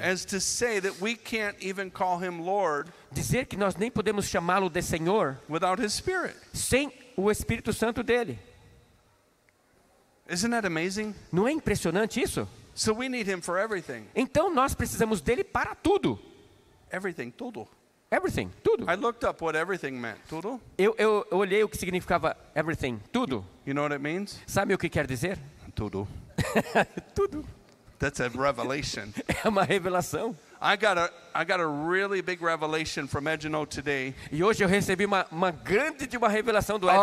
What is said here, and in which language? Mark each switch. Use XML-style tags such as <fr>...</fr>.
<en>as to say that we can't even call him Lord.</en> <pt>Dizer que nós nem podemos chamá-lo de Senhor.</pt> <en>Without his Spirit.</en> <pt>Sem o Espírito Santo dele.</pt> <en>Isn't that amazing?</en> <pt>Não é impressionante isso?</pt> <en>So we need him for everything.</en> <pt>Então nós precisamos dele para tudo.</pt> <en>Everything,</en> <pt>tudo.</pt> <en>Everything,</en> <pt>tudo.</pt> <en>I looked up what everything meant.</en> <pt>Tudo. Eu olhei o que significava</pt> <en>everything,</en> <pt>tudo.</pt> <en>You know what it means?</en> <pt>Sabe o que quer dizer? Tudo. Tudo.</pt> <en>That's a revelation.</en> <pt>É uma revelação.</pt> <en>I got a really big revelation from Edno today.</en> <pt>E hoje eu recebi uma grande de uma revelação do Edno.</pt>